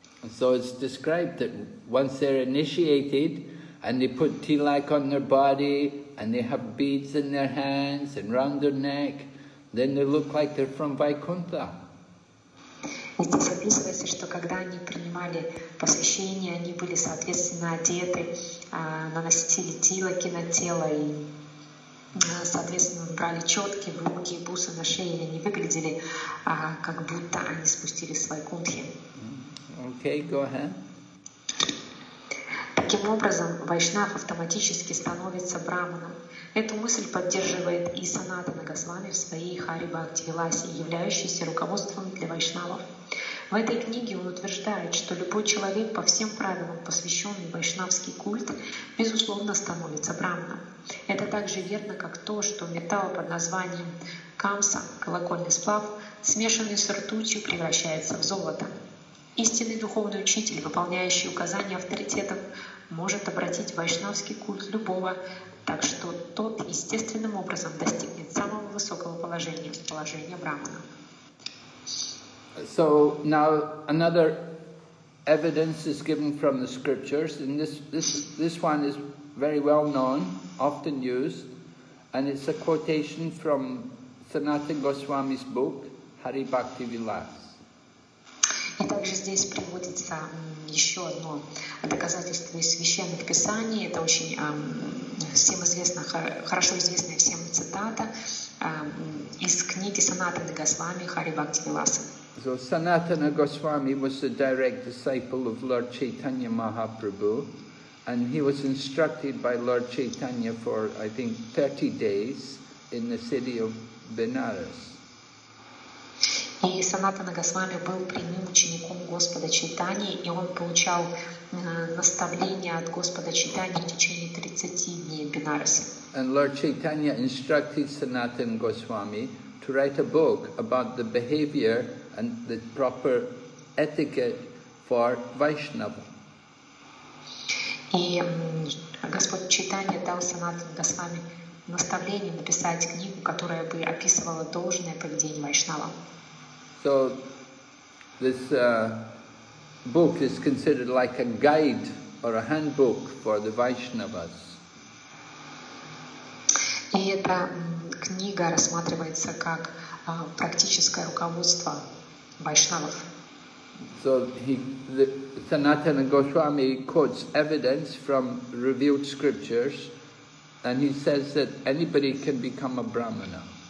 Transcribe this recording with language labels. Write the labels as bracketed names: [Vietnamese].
[English] So it's described that once they're initiated and they put tilak on their body and they have beads in their hands and round their neck, then they look like they're from Vaikuntha. [Russian] Здесь описывается, что когда они принимали посвящение, они были соответственно одеты, наносили тилаки на тело и соответственно брали четки в руки и бусы на шее, и они выглядели, как будто они спустились с Вайкунтхи. [English] Okay, go ahead. [Russian] Таким образом, вайшнав автоматически становится браманом. Эту мысль поддерживает и Санатана Госвами в своей Хари Бхакти Виласе, являющейся руководством для вайшнавов. В этой книге он утверждает, что любой человек по всем правилам, посвященный вайшнавский культ, безусловно становится браманом. Это также верно, как то, что металл под названием камса, колокольный сплав, смешанный с ртутью, превращается в золото. Истинный духовный учитель, выполняющий указания авторитетов, может обратить вайшнавский культ любого, так что тот естественным образом достигнет самого высокого положения, положения брахмана. [English] So now another evidence is given from the scriptures, and this one is very well known, often used, and it's a quotation from Sanatana Goswami's book Hari Bhakti Vilas. [Russian] И также здесь приводится еще одно доказательство из священных писаний. Это очень всем известно, хорошо известная всем цитата из книги Санатана Госвами Хари Бхакти Виласа. [English] So Sanatana Goswami was a direct disciple of Lord Chaitanya Mahaprabhu, and he was instructed by Lord Chaitanya for, I think, 30 days in the city of Benares. [Russian] И Санатана Госвами был прямым учеником Господа Чайтани, и он получал наставления от Господа Чайтани в течение 30 дней в Бенарасе. [English] And Lord Chaitanya instructed Sanatana Goswami to write a book about the behavior and the proper etiquette for Vaishnava. [Russian] И Господь Чайтани дал Санатана Госвами наставление написать книгу, которая бы описывала должное поведение Вайшнава. [English] So this book is considered like a guide or a handbook for the Vaishnavas. [Russian] И эта книга рассматривается как практическое руководство вайшнавов. [English] So Sanatana Goswami quotes evidence from revealed scriptures, and he says that anybody can become a brahmana.